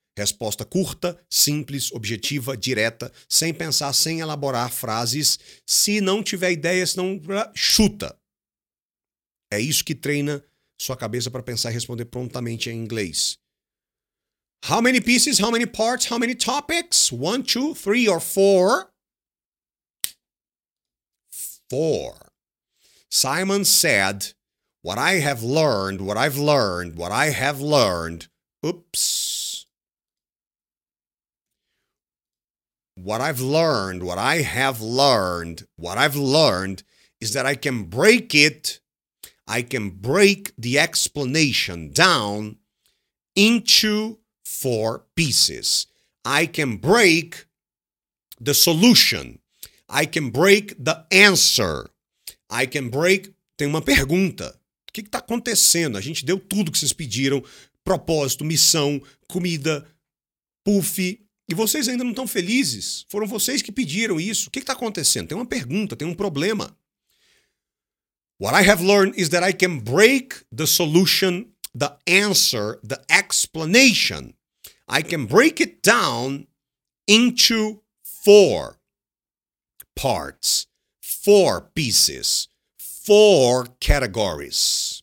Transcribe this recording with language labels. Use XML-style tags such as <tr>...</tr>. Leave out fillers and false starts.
<pt>Resposta curta, simples, objetiva, direta, sem pensar, sem elaborar frases. Se não tiver ideias, não chuta. É isso que treina sua cabeça para pensar e responder prontamente em inglês.</pt> <en>How many pieces, how many parts, how many topics? One, two, three, or four? Four. Simon said, what I have learned, what I've learned, what I have learned. Oops. What I've learned, what I have learned, what I've learned is that I can break it, I can break the explanation down into four pieces. I can break the solution. I can break the answer. I can break...</en> <pt>Tem uma pergunta. O que está acontecendo? A gente deu tudo que vocês pediram. Propósito, missão, comida, puff. E vocês ainda não estão felizes? Foram vocês que pediram isso. O que está acontecendo? Tem uma pergunta, tem um problema.</pt> <en>What I have learned is that I can break the solution, the answer, the explanation. I can break it down into four parts, four pieces, four categories.</en>